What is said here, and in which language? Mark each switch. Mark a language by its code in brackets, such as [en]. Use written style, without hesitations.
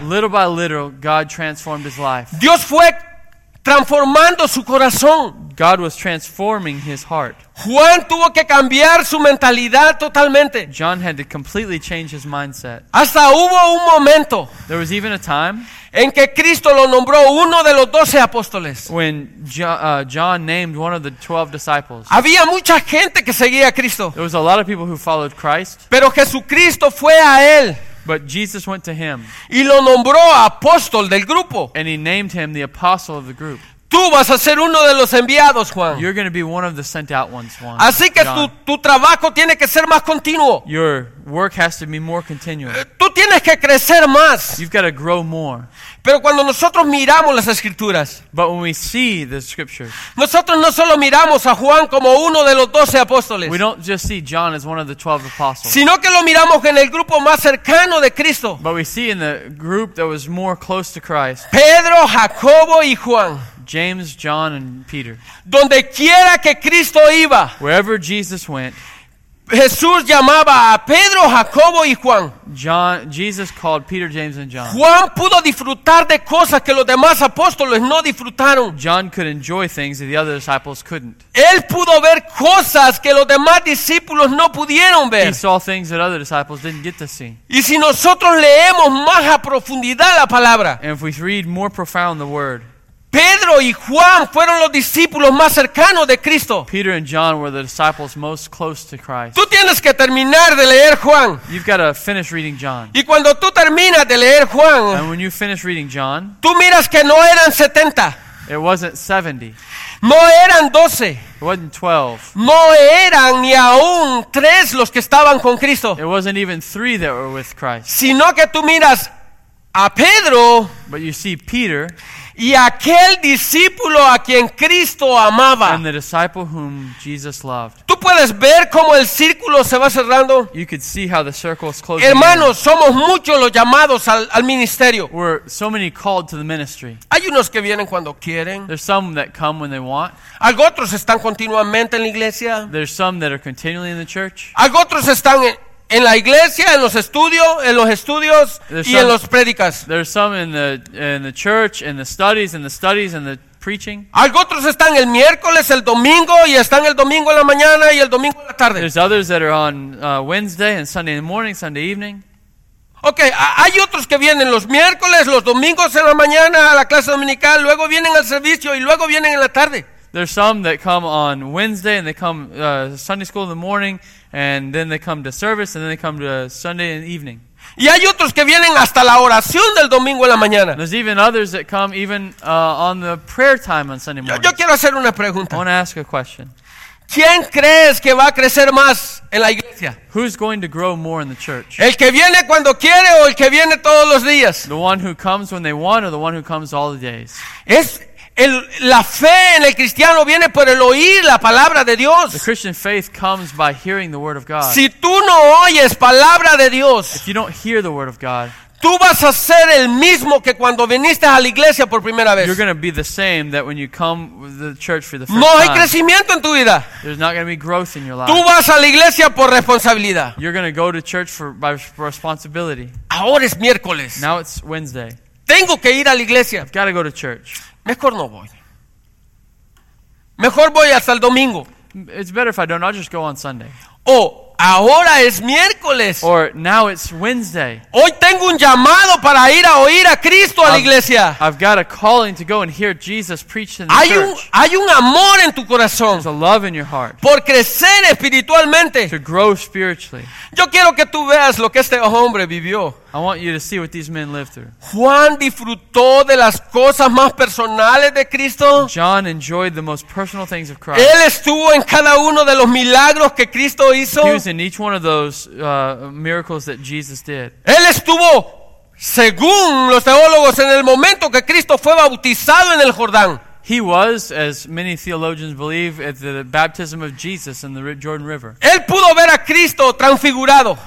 [en] Little by little, God transformed his life. [es] Dios fue transformando su corazón. [en] God was transforming his heart. [es] Juan tuvo que cambiar su mentalidad totalmente. [en] John had to completely change his mindset. [es] Hasta hubo un momento. [en] There was even a time. [es] En que Cristo lo nombró uno de los 12 apóstoles. [en] When John named one of the 12 disciples. [es] Había mucha gente que seguía a Cristo. [en] There was a lot of people who followed Christ. [es] Pero Jesucristo fue a él. [en] But Jesus went to him. [es] Y lo nombró apóstol del grupo. [en] And he named him the apostle of the group. [es] Tú vas a ser uno de los enviados, Juan. [en] You're going to be one of the sent out ones, Juan. [es] Así que tu trabajo tiene que ser más continuo. [en] Your work has to be more continuous. [es] Tú tienes que crecer más. [en] You've got to grow more. [es] Pero cuando nosotros miramos las escrituras, [en] but when we see the scriptures, [es] nosotros no solo miramos a Juan como uno de los 12 apóstoles. [en] We don't just see John as one of the 12 apostles. [es] Sino que lo miramos en el grupo más cercano de Cristo. [en] But we see in the group that was more close to Christ. [es] Pedro, Jacobo y Juan. [en] James, John, and Peter. [es] Donde quiera que Cristo iba, [en] wherever Jesus went, [es] Jesús llamaba a Pedro, Jacobo y Juan. [en] John, Jesus called Peter, James, and John. [es] Juan pudo disfrutar de cosas que los demás apóstoles no disfrutaron. [en] John could enjoy things that the other disciples couldn't. [es] Él pudo ver cosas que los demás discípulos no pudieron ver. [en] He saw things that other disciples didn't get to see. [es] Y si nosotros leemos más a profundidad la palabra, [en] and if we read more profound the word, [es] Pedro y Juan fueron los discípulos más cercanos de Cristo. [en] Peter and John were the disciples most close to Christ. [es] Tú tienes que terminar de leer Juan. [en] You've got to finish reading John. [es] Y cuando tú terminas de leer Juan, [en] and when you finish reading John, [es] tú miras que no eran 70. [en] It wasn't 70. [es] No eran 12. [en] It wasn't 12. [es] No eran ni aún 3 los que estaban con Cristo. [en] It wasn't even 3 that were with Christ. [es] Sino que tú miras a Pedro, [en] but you see Peter, [es] y aquel discípulo a quien Cristo amaba. [en] And the disciple whom Jesus loved. [es] Tú puedes ver cómo el círculo se va cerrando. [en] You could see how the circle is closing. [es] Hermanos, somos muchos los llamados al ministerio. [en] We're so many called to the ministry. [es] Hay unos que vienen cuando quieren. [en] There's some that come when they want. [es] Algunos están continuamente en la iglesia. [en] There's some that are continually in the church. [es] Algunos están en la iglesia, en los estudios, y en los predicas. [en] There's some in the church, in the studies, and the preaching. [es] Algunos están el miércoles, el domingo, y están el domingo en la mañana y el domingo en la tarde. [en] There's others that are on Wednesday and Sunday morning, Sunday evening. [es] Okay, hay otros que vienen los miércoles, los domingos en la mañana a la clase dominical, luego vienen al servicio y luego vienen en la tarde. [en] There's some that come on Wednesday and they come Sunday school in the morning and then they come to service and then they come to Sunday in the evening. [es] Y hay otros que vienen hasta la oración del domingo en la mañana. [en] There's even others that come even on the prayer time on Sunday morning. [es] Yo quiero hacer una pregunta. [en] I want to ask a question. [es] ¿Quién crees que va a crecer más en la iglesia? [en] Who's going to grow more in the church? [es] ¿El que viene cuando quiere o el que viene todos los días? [en] The one who comes when they want or the one who comes all the days? [es] La fe en el cristiano viene por el oír la palabra de Dios. [en] The Christian faith comes by hearing the word of God. [es] Si tú no oyes palabra de Dios, [en] if you don't hear the word of God, [es] tú vas a ser el mismo que cuando viniste a la iglesia por primera vez. [en] You're going to be the same that when you come to the church for the first [es] time. No hay crecimiento en tu vida. [en] There's not going to be growth in your life. [es] Tú vas a la iglesia por responsabilidad. [en] You're going to go to church for responsibility. [es] Ahora es miércoles. [en] Now it's Wednesday. [es] Tengo que ir a la iglesia. [en] I've got to go to church. [es] Mejor no voy. Mejor voy hasta el domingo. [en] It's better if I don't. I'll just go on Sunday. [es] Oh, ahora es miércoles. [en] Or now it's Wednesday. [es] Hoy tengo un llamado para ir a oír a Cristo a la iglesia. [en] I've got a calling to go and hear Jesus preach in the [es] hay [en] church. [es] Hay un amor en tu corazón. [en] There's a love in your heart. [es] Por crecer espiritualmente. [en] To grow spiritually. [es] Yo quiero que tú veas lo que este hombre vivió. [en] I want you to see what these men lived through. [es] Juan disfrutó de las cosas más personales de Cristo. [en] John enjoyed the most personal things of Christ. [es] Él estuvo en cada uno de los milagros que Cristo hizo. [en] He was in each one of those miracles that Jesus did. [es] Él estuvo, según los teólogos, en el momento que Cristo fue bautizado en el Jordán. [en] He was, as many theologians believe, at the baptism of Jesus in the Jordan River. [es] Él pudo ver a Cristo transfigurado.